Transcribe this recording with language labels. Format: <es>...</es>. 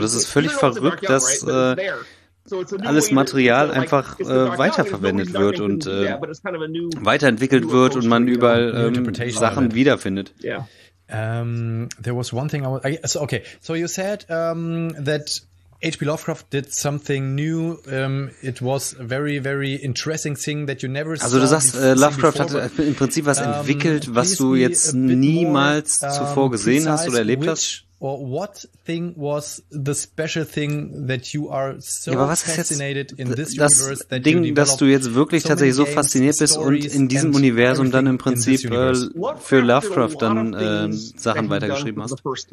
<de>Das ist völlig verrückt, dass alles Material einfach weiterverwendet wird und weiterentwickelt wird und man überall Sachen wiederfindet.</de> <en>There was one thing so you said that H.P. Lovecraft did something new. It was a very, very interesting thing that you never saw.</en> <de>Also du sagst, Lovecraft hat im Prinzip was entwickelt, was du jetzt niemals zuvor gesehen hast oder erlebt hast.</de> <en>Or what thing was the special thing that you are so fascinated in this universe that you developed?</en> <de>Das Ding, dass du jetzt wirklich tatsächlich so fasziniert bist und in diesem Universum dann im Prinzip für Lovecraft dann Sachen weitergeschrieben hast.</de>